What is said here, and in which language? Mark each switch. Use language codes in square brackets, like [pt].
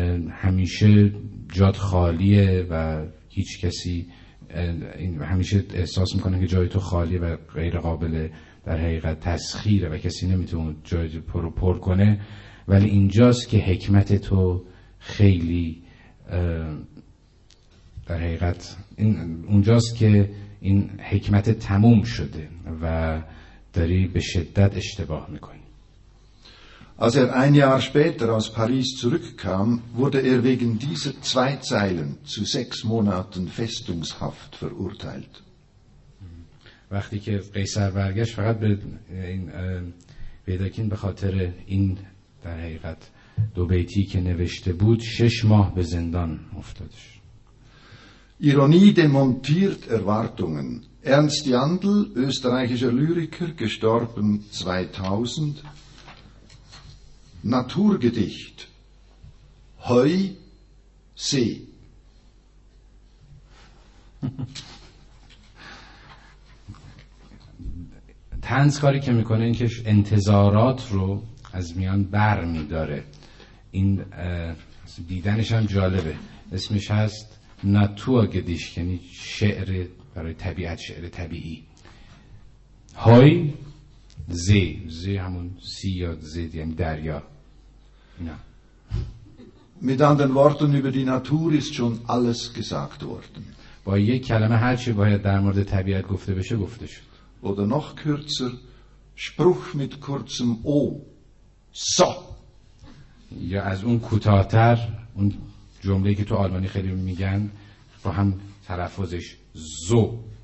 [fa] همیشه جات خالیه و هیچ کسی این همیشه احساس میکنه که جای تو خالیه و غیر قابل در حقیقت تسخیره و کسی نمیتونه جای تو پر کنه، ولی اینجاست که حکمت تو خیلی در حقیقت اونجاست که این حکمت تموم شده و داری به شدت اشتباه میکنی. [de] Als er ein Jahr später aus Paris zurückkam, wurde er wegen dieser zwei Zeilen zu 6 Monaten Festungshaft verurteilt. [fa] وقتی که قیصر برگشت فقط به این ویدکین به خاطر این در حقیقت دو بیتی که نوشته بود 6 ماه به زندان افتادش. [de] Ironie demontiert Erwartungen. Ernst Jandl, österreichischer Lyriker, gestorben 2000. Naturgedicht. Heu, See. [fa] طنز کاری که میکنه این که انتظارات رو از میان بر میداره. این دیدنش هم جالبه. اسمش هست ناتورگدیشت، یعنی شعر برای طبیعت، شعر طبیعی. هوی زی، زی همون سی یا زید، یعنی دریا. [de] Mit anderen Worten, über die Natur ist schon alles gesagt worden. [fa] با یک کلمه هر چی باید در مورد طبیعت گفته بشه گفته شد. [de] Oder noch kürzer, Spruch mit kurzem O, so. [fa] یا از اون کوتاه‌تر، اون جمله‌ای که تو آلمانی خیلی میگن با هم تلفظش زو.